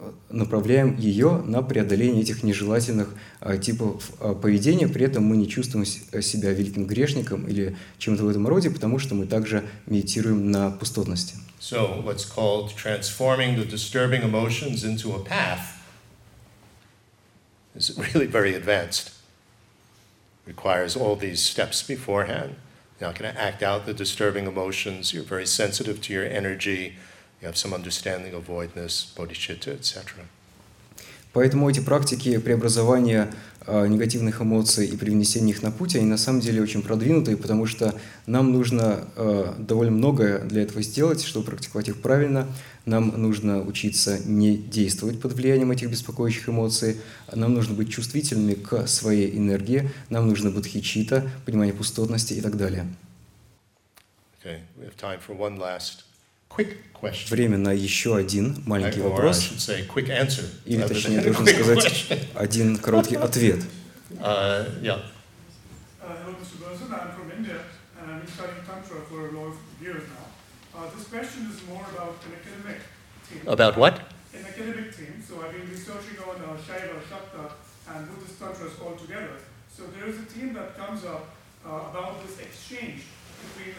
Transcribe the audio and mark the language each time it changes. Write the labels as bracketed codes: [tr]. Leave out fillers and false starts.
[ru] направляем ее на преодоление этих нежелательных типов поведения, при этом мы не чувствуем себя великим грешником или чем-то в этом роде, потому что мы также медитируем на пустотности. [en] So, what's called transforming the disturbing emotions into a path is really very advanced. Requires all these steps beforehand. You're not going to act out the disturbing emotions. You're very sensitive to your energy. You have some understanding of voidness, bodhicitta, etc. [ru] Поэтому эти практики преобразования негативных эмоций и привнесения их на путь, они на самом деле очень продвинутые, потому что нам нужно довольно многое для этого сделать, чтобы практиковать их правильно. Нам нужно учиться не действовать под влиянием этих беспокоящих эмоций. Нам нужно быть чувствительными к своей энергии. Нам нужно бодхичитта, понимание пустотности и так далее. [en] Okay, we have time for one last quick question. [ru] Время на еще один маленький вопрос. [en] I should say quick answer. [ru] Или, точнее, должен сказать один короткий ответ. [en] I'm from India, and I've been studying Tantra for a lot of years now. This question is more about an academic theme. About what? An academic theme. So I've been researching on Shaiva, Shakta, and Buddhist Tantras all together. So there is a theme that comes up about this exchange between